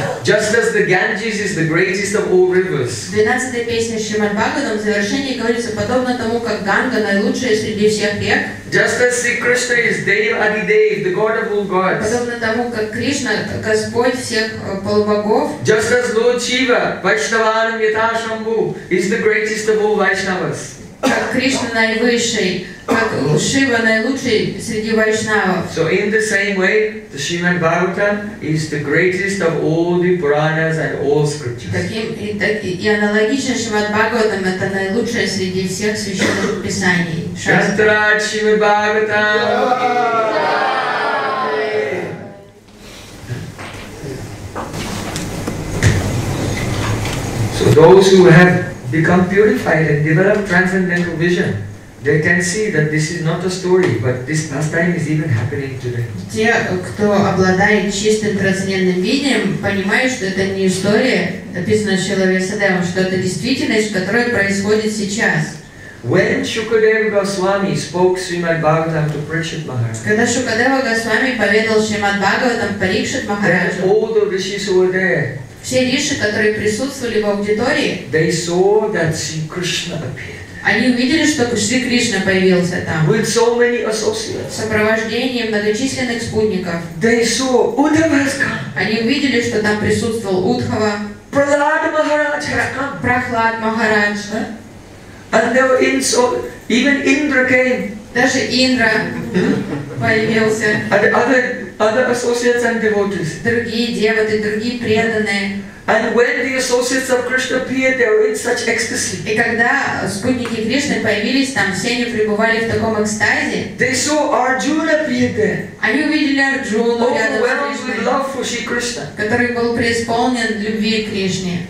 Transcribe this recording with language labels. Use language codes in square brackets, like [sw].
[en] Just as the Ganges is the greatest of all rivers. [ru] 12-я песня Шримад Бхагаватам в завершении говорится подобно тому, как Ганга наилучшая среди всех рек. [en] Just as Sri Krishna is Dev Adidev, the God of all gods. [ru] Подобно тому, как Кришна, Господь всех полубогов. [en] Just as Lord Shiva, Vaishnavanam Yathashambhu, is the greatest of all Vaishnavas. [ru] Как Кришна наивысший, как Шива наилучший среди вайшнавов. [en] So in the same way, the Srimad Bhagavatam is the greatest of all the Puranas and all scriptures. [ru] И аналогично Шримад Бхагаватам это наилучшее среди всех священных писаний. Шастра Шримад Бхагаватам. [en] those who have become purified and developed transcendental vision, they can see that this is not a story, but this pastime is even happening today. [ru] Те, кто обладает чистым трансцендентным видением, понимают, что это не история, написанная Шиловесадевом, что это действительность, которая происходит сейчас. [en] When Shukadeva Goswami spoke Srimad Bhagavatam to Parikshit Maharaj, [ru] когда Шукадева Госвами поведал Шримад Бхагаватам Парикшит Махараджу, [en] all the rishis were there. [ru] Все риши, которые присутствовали в аудитории, [en] they saw that Sri Krishna appeared. [ru] Они увидели, что Шри Кришна появился там. [en] With so many associates. [ru] Сопровождением многочисленных спутников. [en] They saw Uddhava has come. [ru] Они увидели, что там присутствовал Удхава. [en] Prahlad Maharaj has come. [ru] Прахлад Махарадж. [en] And there were even Indra came. [ru] Даже Индра появился. [en] And other associates and devotees. [ru] Другие деваты, другие преданные. [en] And when the associates of Krishna appeared, they were in such ecstasy. [ru] И когда спутники Кришны появились там, все они пребывали в таком экстазе. [en] They saw Arjuna appear there. [ru] Они увидели Арджуну рядом с Кришной. [en] Overwhelmed with love for Sri Krishna. [ru] Который был преисполнен любви к Кришне.